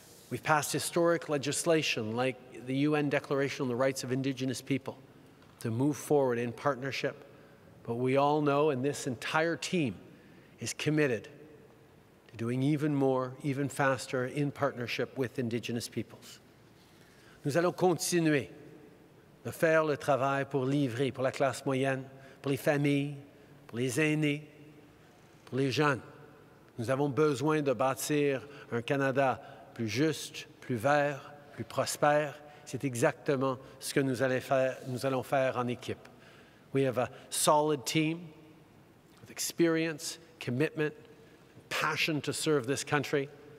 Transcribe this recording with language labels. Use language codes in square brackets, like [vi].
[en] We've passed historic legislation like the UN Declaration on the Rights of Indigenous People to move forward in partnership. But we all know, and this entire team is committed to doing even more, even faster, in partnership with Indigenous peoples. [fr] Nous allons continuer de faire le travail pour livrer pour la classe moyenne, pour les familles, pour les aînés, pour les jeunes. Nous avons besoin de bâtir un Canada plus juste, plus vert, plus prospère. C'est exactement ce que nous allons faire en équipe. [en] We have a solid team with experience, commitment, passion to serve this country.